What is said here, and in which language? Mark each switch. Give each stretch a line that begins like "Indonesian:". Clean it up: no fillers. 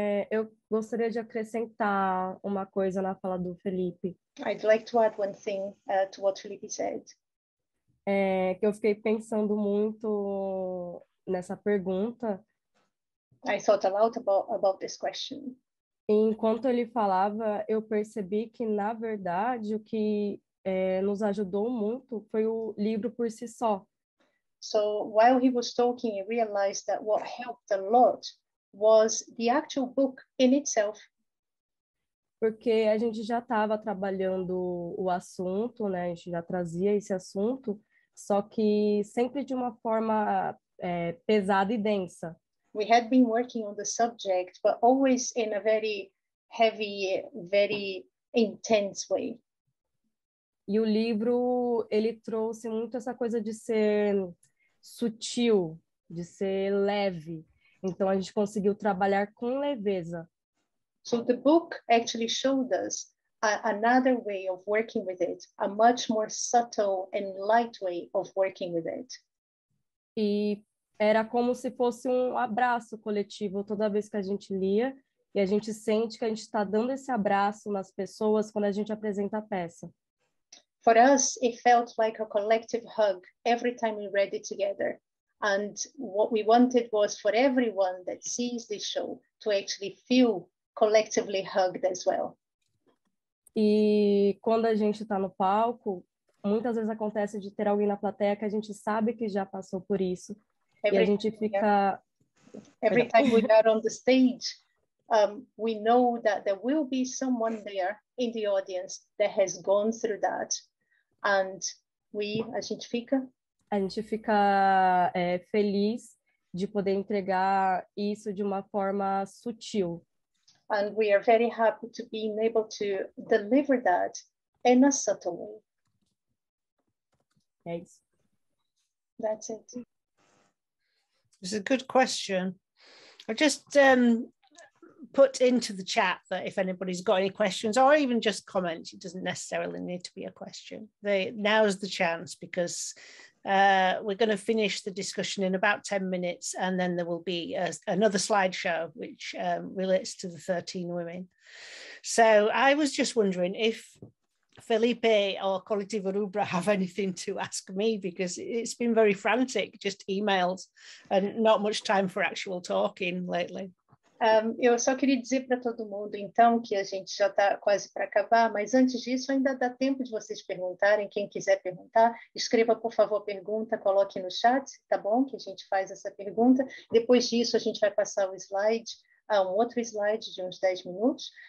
Portuguese: Eu gostaria de acrescentar uma coisa na fala do Felipe.
English: I'd like to add one thing to what Felipe said.
Portuguese: Que eu fiquei pensando muito nessa pergunta.
English: I thought a lot about this question.
Portuguese: Enquanto ele falava, eu percebi que, na verdade, o que nos ajudou muito foi o livro por si só.
English: So, while he was talking, I realized that what helped a lot was the actual book in itself.
Portuguese: Porque a gente já estava trabalhando o assunto, né? A gente já trazia esse assunto, só que sempre de uma forma pesada e densa.
English: We had been working on the subject, but always in a very heavy, very intense way.
Portuguese: E o livro, ele trouxe muito essa coisa de ser sutil, de ser leve. Então, a gente conseguiu trabalhar com leveza.
English: So the book actually showed us another way of working with it, a much more subtle and light way of working with it.
Portuguese: E era como se fosse um abraço coletivo toda vez que a gente lia, e a gente sente que a gente está dando esse abraço nas pessoas quando a gente apresenta a peça.
English: For us, it felt like a collective hug every time we read it together. And what we wanted was for everyone that sees this show to actually feel collectively hugged as well.
Portuguese: E quando a gente está no palco, muitas vezes acontece de ter alguém na plateia que a gente sabe que já passou por isso.
English: Every,
Portuguese: e a gente fica...
English: Every time we are on the stage, we know that there will be someone there in the audience that has gone through that. And
Portuguese: a gente fica feliz de poder entregar isso de uma forma sutil.
English: And we are very happy to be able to deliver that in a subtle way.
Portuguese: É isso.
English: That's it. It's a good question. I'll just put into the chat that if anybody's got any questions or even just comments, it doesn't necessarily need to be a question. Now's the chance, because we're going to finish the discussion in about 10 minutes, and then there will be another slideshow which relates to the 13 women. So I was just wondering if Felipe or Coletivo Rubra have anything to ask me, because it's been very frantic, just emails and not much time for actual talking lately.
Portuguese: Eu só queria dizer para todo mundo, então, que a gente já está quase para acabar, mas antes disso, ainda dá tempo de vocês perguntarem. Quem quiser perguntar, escreva, por favor, pergunta, coloque no chat, tá bom? Que a gente faz essa pergunta. Depois disso, a gente vai passar o slide, um outro slide de uns 10 minutos.